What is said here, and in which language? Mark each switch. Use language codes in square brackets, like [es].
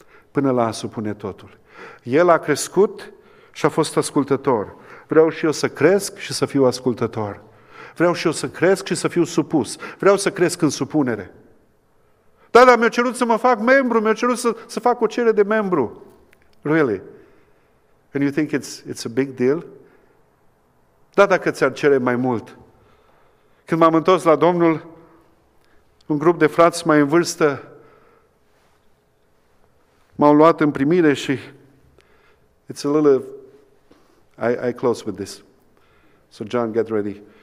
[ro] Până la a supune totul. El a crescut și a fost ascultător. Vreau și eu să cresc și să fiu ascultător. Vreau și eu să cresc și să fiu supus. Vreau să cresc în supunere. Da, mi-a cerut să mă fac membru, mi-a cerut să fac o cerere de membru. [en] Really? And you think it's a big deal? [ro] Da, dacă ți-ar cere mai mult. Când m-am întors la Domnul, un grup de frați mai în vârstă m-au luat în primire și [en] it's a little I close with this. So John, get ready.